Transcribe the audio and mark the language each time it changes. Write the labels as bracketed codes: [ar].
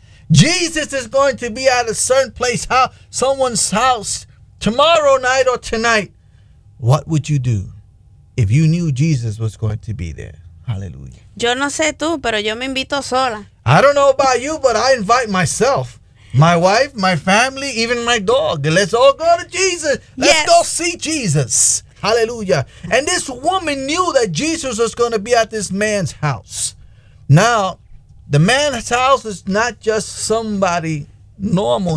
[en] Jesus is going to be at a certain place, someone's house, tomorrow night or tonight. What would you do if you knew Jesus was going to be there? Hallelujah. [es] Yo no sé tú, pero yo me invito sola. [en] I don't know about you, but I invite myself, my wife, my family, even my dog. Let's all go to Jesus. Let's go see Jesus. Hallelujah. And this woman knew that Jesus was going to be at this man's house. Now, the man's house is not just somebody normal.